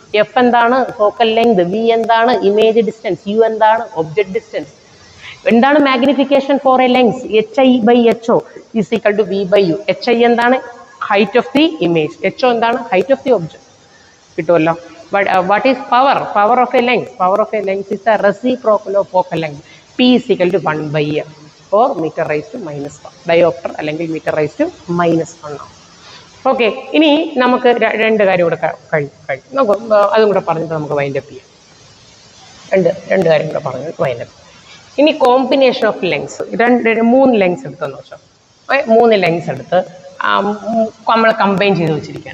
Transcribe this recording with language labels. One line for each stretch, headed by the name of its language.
Malayalam: F എന്താണ്? Focal length. V എന്താണ്? Image distance. U എന്താണ്? Object distance.
English: എന്താണ് magnification for a lens? H I by H O is equal to V by U. H I എന്താണ്? Height of the image. H O എന്താണ്? Height of the object.
Malayalam: കിട്ടുമല്ലോ.
English: What is power? Power of a lens, power of a lens is the reciprocal of focal length. P is equal to 1 by F or meter raised to minus 1. Diopter അല്ലെങ്കിൽ meter raised to minus 1.
Malayalam: Okay, ഇനി നമുക്ക് രണ്ട് കാര്യം കൂടെ കഴിഞ്ഞു നോക്കൂ, അതും കൂടെ പറഞ്ഞിട്ട് നമുക്ക് വൈൻഡ് അപ്പ് ചെയ്യാം. രണ്ട് കാര്യം കൂടെ പറഞ്ഞു വൈൻഡ് അപ്പ്. ഇനി കോമ്പിനേഷൻ ഓഫ് ലെങ്സ്, മൂന്ന് ലെങ്സ് എടുത്തെന്ന് വെച്ചോ, മൂന്ന് ലെങ്സ് എടുത്ത് നമ്മൾ കമ്പൈൻ ചെയ്ത് വെച്ചിരിക്കുക.